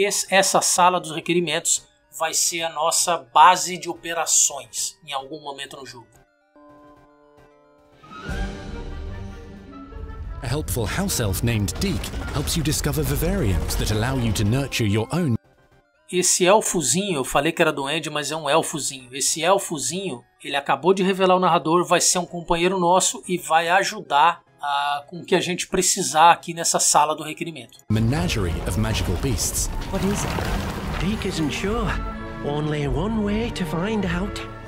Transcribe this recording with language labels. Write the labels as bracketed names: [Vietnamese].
[Portuguese] Essa sala dos requerimentos vai ser a nossa base de operações em algum momento no jogo. [English] A helpful house elf named Deke helps you discover vivariums that allow you to nurture your own. [Portuguese] Esse elfozinho, eu falei que era duende, mas é um elfozinho. Esse elfozinho, ele acabou de revelar o narrador, vai ser um companheiro nosso e vai ajudar com o que a gente precisar aqui nessa sala do requerimento. [English] Menagerie of magical beasts. What is it? Deke isn't sure. Only one way to find out.